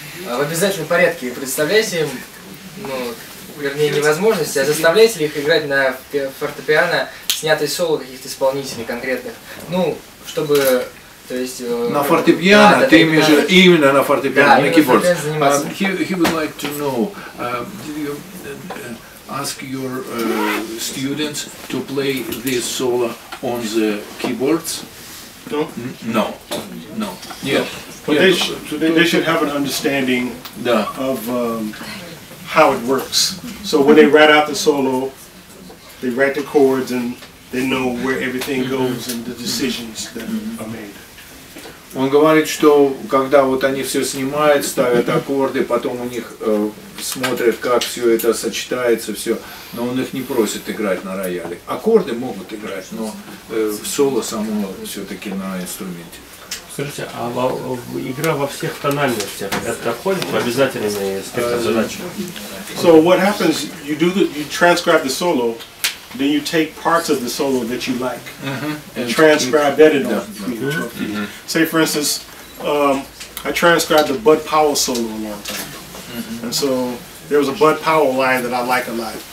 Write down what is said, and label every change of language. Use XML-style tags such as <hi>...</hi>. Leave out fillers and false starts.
<ru>В обязательном порядке представляете им, ну, вернее, невозможности, а заставляете ли их играть на фортепиано снятый соло каких-то исполнителей конкретных, ну, чтобы, то есть... На фортепиано? Ты имеешь именно на фортепиано, на</ru> <en>keyboards?</en> <ru>Да, именно на фортепиано заниматься.</ru> <en>He would like to know, did you ask your students to play this solo on the keyboards? No. No. No. Yeah. But yeah, they should have an understanding of how it works. So when they write out the solo, they write the chords and they know where everything goes and the decisions that are made.</en> <ru>Он говорит, что когда вот они все снимают, ставят аккорды, потом у них смотрят, как все это сочетается, все, но он их не просит играть на рояле. Аккорды могут играть, но соло само все-таки на инструменте. Скажите, а игра во всех тональностях, это входит в обязательные спектр задачи?</ru> <en>So what happens, you transcribe the solo, then you take parts of the solo that you like, and transcribe that in the future. Say for instance, I transcribed the Bud Powell solo a long time ago. And so there was a Bud Powell line that I like a lot.</en>